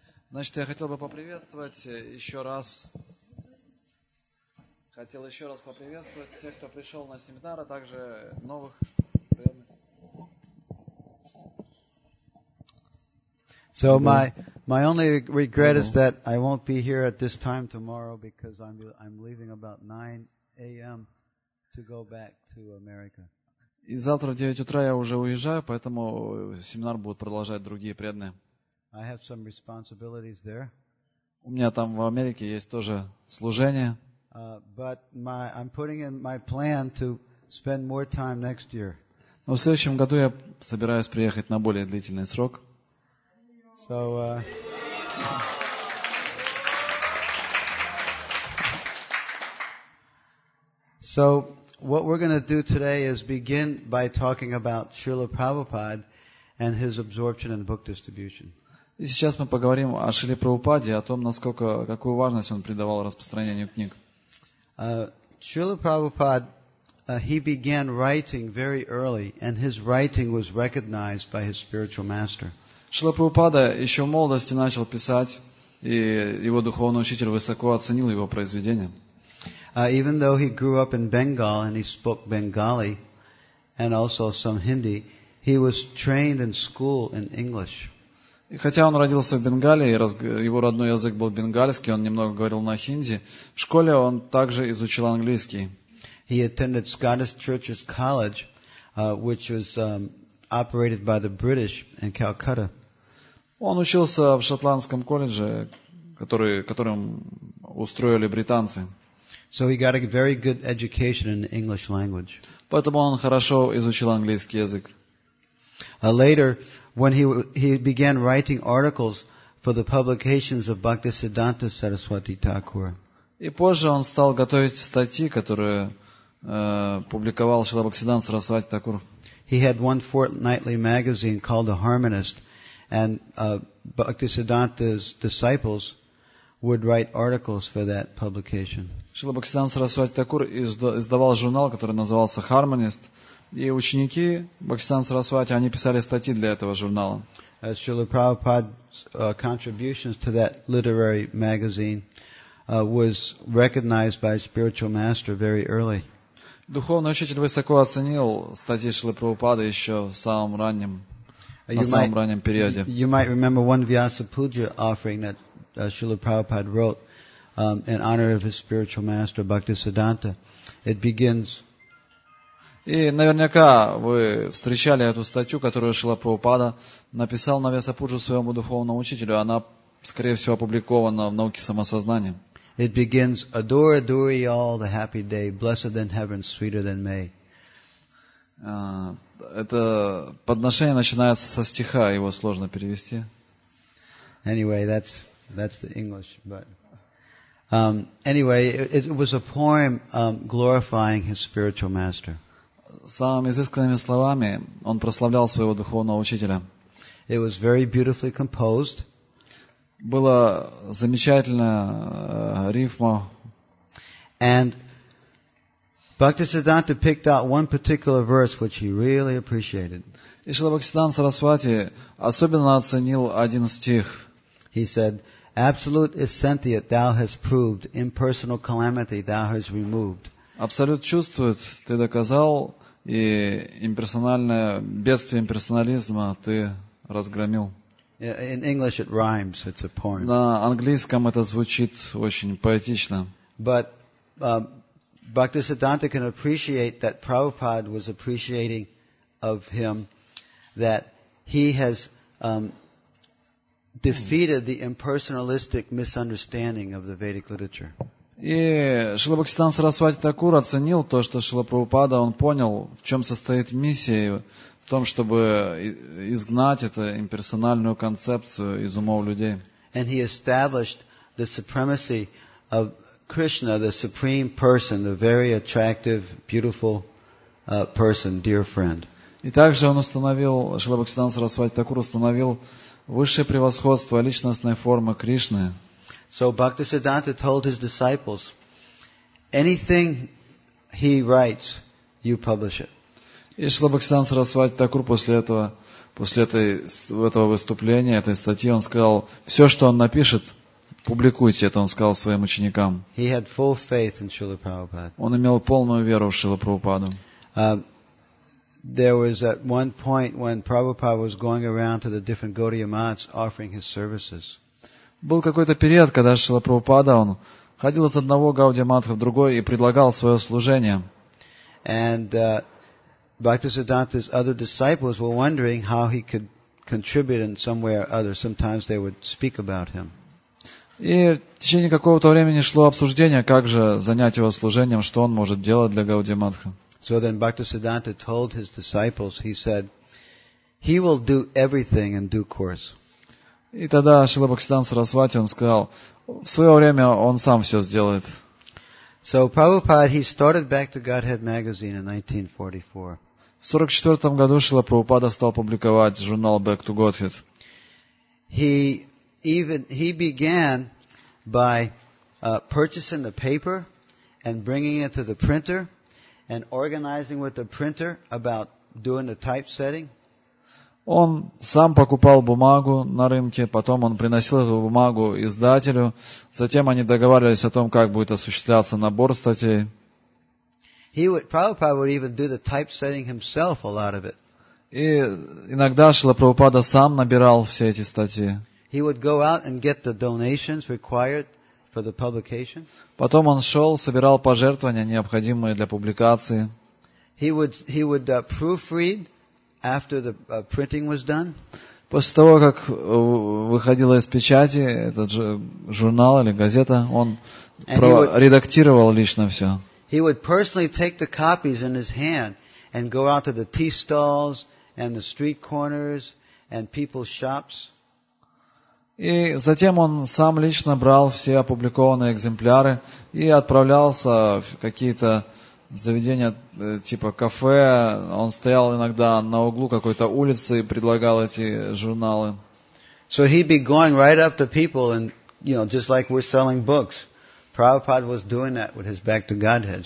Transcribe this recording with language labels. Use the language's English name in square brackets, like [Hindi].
[Russian] Значит, я хотел бы поприветствовать еще раз. Хотел еще раз поприветствовать всех, кто пришел на семинар, а также новых. [English] So my only regret is that I won't be here at this time tomorrow because I'm leaving about 9 a.m. to go back to America. [Russian] И завтра в 9 утра я уже уезжаю, поэтому семинар будут продолжать другие преданные. [English] I have some responsibilities there. [Russian] У меня там в Америке есть тоже служение. [English] But I'm putting in my plan to spend more time next year. [Russian] Но в следующем году я собираюсь приехать на более длительный срок. [English] So what we're going to do today is begin by talking about Srila Prabhupada and his absorption and book distribution. [Russian] И сейчас мы поговорим о Шриле Прабхупаде, о том, насколько, какую важность он придавал распространению книг. [English] Srila Prabhupada, he began writing very early, and his writing was recognized by his spiritual master. [Russian] Шрила Прабхупада еще в молодости начал писать, и его духовный учитель высоко оценил его произведение. [English] Even though he grew up in Bengal and he spoke Bengali and also some Hindi, he was trained in school in English. [Russian] И хотя он родился в Бенгале, и его родной язык был бенгальский, он немного говорил на хинди, в школе он также изучил английский. [English] He attended Scottish Church's College, which was operated by the British in Calcutta. [Russian] Он учился в шотландском колледже, которым устроили британцы. [English] So he got a very good education in the English language. [Russian] Поэтому он хорошо изучил английский язык. [English] Later, when he began writing articles for the publications of Bhaktisiddhanta Saraswati Thakur. [Russian] И позже он стал готовить статьи, которые публиковал Шрила Бхактисиддханта Сарасвати Такур. [English] He had one fortnightly magazine called The Harmonist, and Bhaktisiddhanta's disciples would write articles for that publication. [Russian] Шрила Бхактисиддханта Сарасвати Такур издавал журнал, который назывался Harmonist, и ученики Бхактисиддханта Сарасвати, они писали статьи для этого журнала. [English] Srila Prabhupada's contributions to that literary magazine was recognized by spiritual master very early. [Russian] Духовный учитель высоко оценил статьи Шрилы Прабхупады еще в самом раннем, раннем периоде. [English] You might remember one Vyasa Puja offering that Srila Prabhupada wrote in honor of his spiritual master Bhaktisiddhanta. It begins. [Russian] И наверняка вы встречали эту статью, которую Шрила Прабхупада написал на Вьяса Пуджу своему духовному учителю. Она, скорее всего, опубликована в «Науке самосознания». [English] It begins, adore, adore ye all the happy day, blessed than heaven, sweeter than May. [Russian] Это подношение начинается со стиха, его сложно перевести. [English] Anyway, that's the English, but anyway, it was a poem glorifying his spiritual master. [Russian] Самыми изысканными словами он прославлял своего духовного учителя. [English] It was very beautifully composed. [Russian] Было замечательное рифма. [English] And Bhaktisiddhanta picked out one particular verse which he really appreciated. [Russian] И Шрила Бхактисиддханта Сарасвати особенно оценил один стих. [English] He said, "Absolute is sentient, thou hast proved; impersonal calamity thou hast removed." [Russian] Абсолют чувствует, ты доказал, и имперсональное бедствие имперсонализма ты разгромил. [English] In English it rhymes, it's a poem. [Russian] На английском это звучит очень поэтично. [English] But Bhaktisiddhanta can appreciate that Prabhupada was appreciating of him that he has defeated the impersonalistic misunderstanding of the Vedic literature. [Russian] И Шрила Бхактисиддханта Сарасвати Такур оценил то, что Шрила Прабхупада, он понял, в чем состоит миссия в том, чтобы изгнать эту имперсональную концепцию из умов людей. [English] And he established the supremacy of Krishna, the supreme person, the very attractive, beautiful person, dear friend. [Russian] И также он установил, Шрила Бхактисиддханта Сарасвати Такур установил высшее превосходство личностной формы Кришны. [English] So Bhaktisiddhanta told his disciples, anything he writes, you publish it. [Russian] И Шрила Бхактисиддханта Сарасвати Такур после этого выступления, этой статьи, он сказал, все, что он напишет, публикуйте, это он сказал своим ученикам. [English] He had full faith in Srila Prabhupada. [Russian] Он имел полную веру в Шрилу Прабхупаду. [English] There was at one point when Prabhupada was going around to the different Gaudiya Mats offering his services. [Russian] Был какой-то период, когда Шрила Прабхупада, он ходил из одного Гаудия Матха в другой и предлагал свое служение. [English] And Bhaktisiddhanta's other disciples were wondering how he could contribute in some way or other. Sometimes they would speak about him. [Russian] И в течение какого-то времени шло обсуждение, как же занять его служением, что он может делать для Гауди Матха. [English] So then Bhaktisiddhanta told his disciples, he said, he will do everything in due course. [Russian] И тогда Шрила Бхактисиддханта Сарасвати, он сказал, в свое время он сам все сделает. [English] So Prabhupada, he started back to Godhead magazine in 1944. [Russian] В 44-м году Шрила Прабхупада стал публиковать журнал Back to Godhead. [English] He began by purchasing the paper and bringing it to the printer and organizing with the printer about doing the typesetting. [Russian] Он сам покупал бумагу на рынке, потом он приносил эту бумагу издателю, затем они договаривались о том, как будет осуществляться набор статей. [English] Prabhupada would even do the typesetting himself, a lot of it. [Russian] И иногда Шрила Прабхупада сам набирал все эти статьи. [English] He would go out and get the donations required for the publication. [Russian] Потом он шел, собирал пожертвования, необходимые для публикации. [English] He would proofread after the printing was done. [Russian] После того, как выходила из печати этот журнал или газета, он редактировал лично все. [English] He would personally take the copies in his hand and go out to the tea stalls and the street corners and people's shops. [Russian] И затем он сам лично брал все опубликованные экземпляры и отправлялся в какие-то заведения типа кафе. Он стоял иногда на углу какой-то улицы и предлагал эти журналы. [English] So he'd be going right up to people and, you know, just like we're selling books. Prabhupada was doing that with his Back to Godhead.